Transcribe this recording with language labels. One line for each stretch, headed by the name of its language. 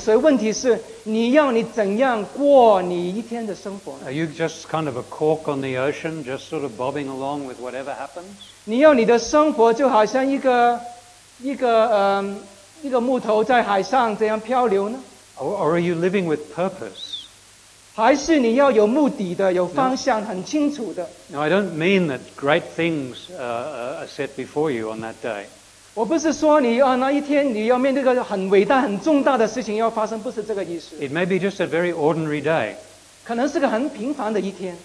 Chinese: 所以问题是,你要你怎样过你一天的生活?
English: Are you just kind of a cork on the ocean, just sort of bobbing along with whatever happens?
Chinese: 你要你的生活就好像一个木头在海上这样漂流呢?
English: Or are you living with purpose?
Chinese: 还是你要有目的的,有方向,很清楚的。
English: No, I don't mean that great things are set before you on that day.
Chinese: 我不是说你那一天你要面对个很伟大,很重大的事情要发生,不是这个意思。
English: It may be just a very ordinary day.
Chinese: 可能是个很平凡的一天。